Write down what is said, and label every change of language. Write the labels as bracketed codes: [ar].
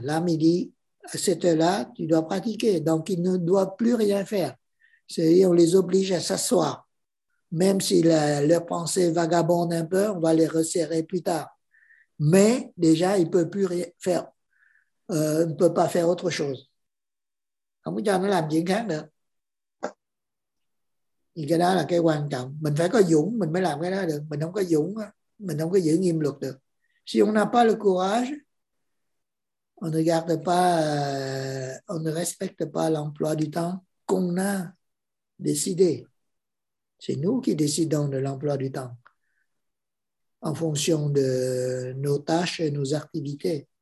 [fr] L'âme, il dit, à cette heure-là, tu dois pratiquer. Donc, il ne doit plus rien faire. C'est-à-dire, on les oblige à s'asseoir. Même si leur pensée vagabonde un peu, on va les resserrer plus tard. Mais déjà, ils ne peuvent plus rien faire. Ils ne peuvent pas faire autre chose. [vi] Không có cho nó làm chuyện khác nữa. Thì cái đó là cái quan trọng. Mình phải có dũng, mình mới làm cái đó được. Mình không có dũng, mình không có giữ nghiêm luật được. [fr] Si on n'a pas le courage, on ne garde pas, on ne respecte pas l'emploi du temps qu'on a décidé. C'est nous qui décidons de l'emploi du temps en fonction de nos tâches et nos activités.